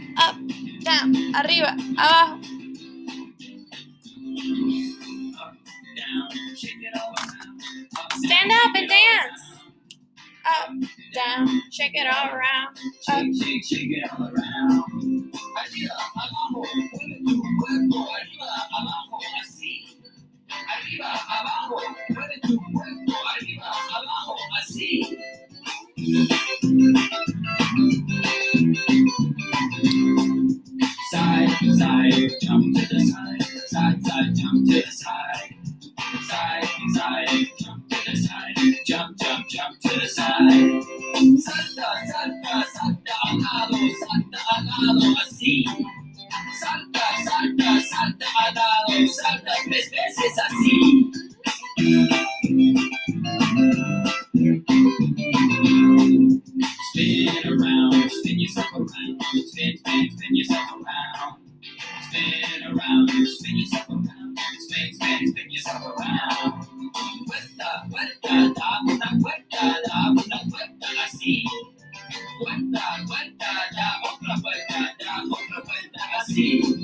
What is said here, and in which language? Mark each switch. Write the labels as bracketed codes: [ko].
[en] Up, down, [es] arriba, abajo. [en] Stand up and dance. Up, down, shake it all around. Up, shake, shake it all around. [es] Arriba, abajo, mueve tu cuerpo. Arriba, abajo, así. Arriba, abajo, mueve tu cuerpo. Arriba, abajo, así. [en] Side, side, jump to the side. Side, side, jump to the side. Side, side, jump to the side. Jump, jump, jump to the side. [es] Salta, salta, salta al lado. Salta al lado, así. Salta, salta, salta al lado. Salta tres veces, así. [en] Spin around, spin yourself around. Spin, spin, spin yourself around. Spin around, spin yourself around. Spin, spin, spin yourself around. [es] Cuenta, cuenta, dame una cuenta, dame una cuenta, así. Cuenta, cuenta, dame otra cuenta, dame otra cuenta, así.